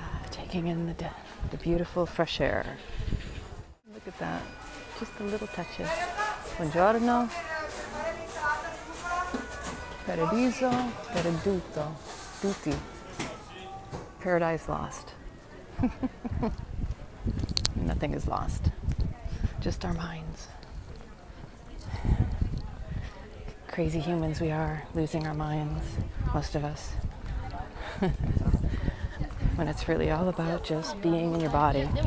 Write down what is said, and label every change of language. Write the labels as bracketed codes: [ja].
[en] Taking in the beautiful fresh air. Look at that, just the little touches. [it] Buongiorno. Paradiso, perduto, tutti. [en] Paradise lost. Nothing is lost, just our minds. Crazy humans we are, losing our minds, most of us. When it's really all about just being in your body.